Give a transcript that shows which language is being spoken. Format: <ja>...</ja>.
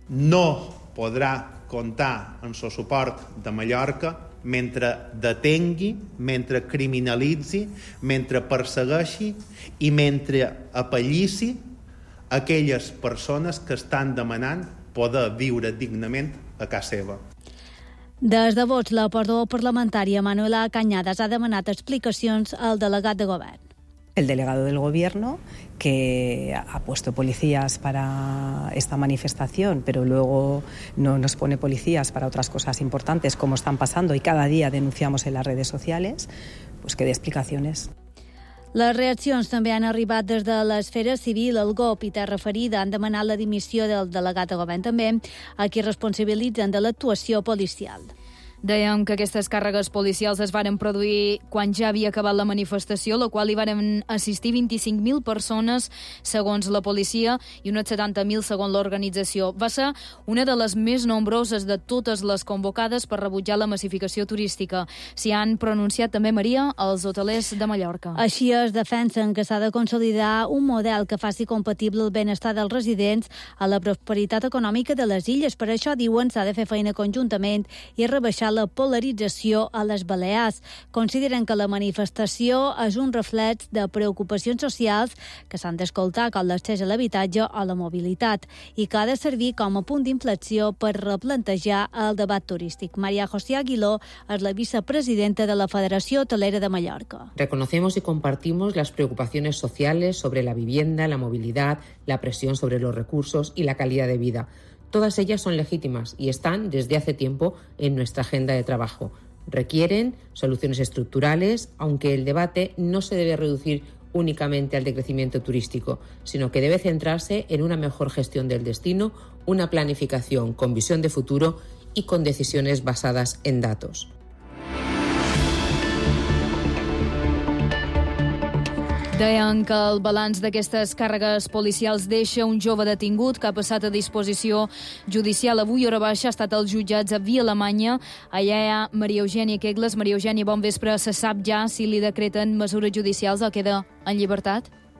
<ca>No podrà comptar amb el suport de Mallorca mentre detengui, mentre criminalitzi, mentre persegueixi i mentre apallissi aquelles persones que estan demanant poder viure dignament a casa seva. Des de Vox, la portaveu parlamentària Manuela Cañadas ha demanat explicacions al delegat de govern.</ca> <es>El delegado del gobierno, que ha puesto policías para esta manifestación, pero luego no nos pone policías para otras cosas importantes, como están pasando y cada día denunciamos en las redes sociales, pues que dé explicaciones.</es> <ca>Les reaccions també han arribat des de l'esfera civil. El GOP i Terra Ferida han demanat la dimissió del delegat de govern també, a qui responsabilitzen de l'actuació policial. Dèiem que aquestes càrregues policials es varen produir quan ja havia acabat la manifestació, la qual hi varen assistir 25.000 persones, segons la policia, i unes 70.000 segons l'organització. Va ser una de les més nombroses de totes les convocades per rebutjar la massificació turística. S'hi han pronunciat també, Maria, els hotelers de Mallorca. Així es defensen que s'ha de consolidar un model que faci compatible el benestar dels residents a la prosperitat econòmica de les illes. Per això, diuen, s'ha de fer feina conjuntament i rebaixar la polarització a les Balears. Consideren que la manifestació és un reflex de preocupacions socials que s'han d'escoltar com l'accés a l'habitatge o la mobilitat i que ha de servir com a punt d'inflexió per replantejar el debat turístic. Maria José Aguiló és la vicepresidenta de la Federació Hotelera de Mallorca.</ca> <es>Reconocemos y compartimos las preocupaciones sociales sobre la vivienda, la movilidad, la presión sobre los recursos y la calidad de vida. Todas ellas son legítimas y están desde hace tiempo en nuestra agenda de trabajo. Requieren soluciones estructurales, aunque el debate no se debe reducir únicamente al decrecimiento turístico, sino que debe centrarse en una mejor gestión del destino, una planificación con visión de futuro y con decisiones basadas en datos.</es> <ca>Deien que el balanç d'aquestes càrregues policials deixa un jove detingut que ha passat a disposició judicial. Avui, hora baixa, ha estat als jutjats a Via Alemanya. Allà hi ha Maria Eugènia Quegles. Maria Eugènia, bon vespre. Se sap ja si li decreten mesures judicials o queda en llibertat?</ca>